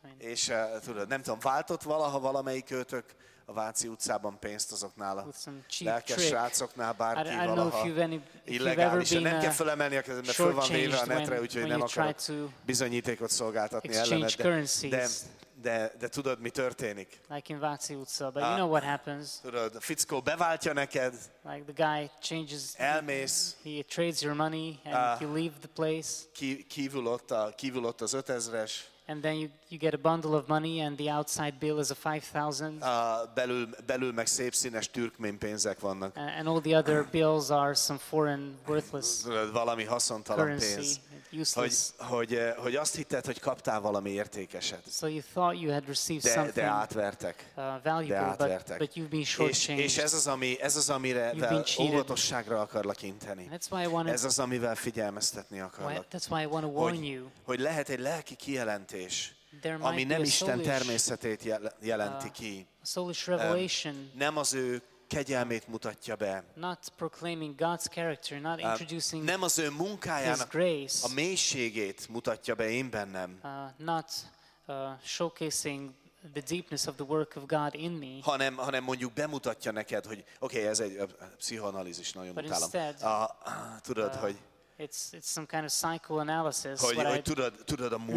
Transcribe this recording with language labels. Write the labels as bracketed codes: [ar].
[hu] És tudod, nem tudom, váltott valaha valamelyikőtök a Váci utcában pénzt azoknál a lelkes srácoknál, bárki valaha illegálisan. Nem kell felemelni a kezembe, föl van véve a netre, úgyhogy nem akarok bizonyítékot szolgáltatni ellened. De tudod, mi történik? [en] Like in Váci utca, but you know what happens. [hu] Tudod, a fickó beváltja neked. [en] Like the guy changes. [hu] Elmész. [en] He trades your money and you leave the place. [hu] Kívül ott az 5000-es. [en] And then you get a bundle of money and the outside bill is a 5000. [hu] Belül meg szép színes türkmén pénzek vannak. [en] And all the other bills are some foreign worthless. [hu] Valami haszontalan [en] currency, [hu] pénz. [en] Useless. [hu] Hogy azt hitted, hogy kaptál valami értékeset. [en] So you thought you had received something. [hu] De átvertek. [en] But you've been shortchanged. [hu] És ez az amire óvatosságra akarlak inteni. Ez az, amivel figyelmeztetni akarlak. [en] That's why I want to warn you. [hu] Hogy lehet egy lelki kijelentés, ami nem Isten természetét jelenti ki. Nem az ő kegyelmét mutatja be. [en] Not proclaiming God's character, not introducing [hu] nem az ő munkájának a mélységét mutatja be én bennem. [en] Not showcasing the deepness of the work of God in me. [hu] Hanem mondjuk bemutatja neked, hogy oké, ez egy pszichoanalízis, nagyon utálom. Tudod, hogy [en] it's some kind of psychoanalysis, [hu] hogy, what hogy tudod a múltad,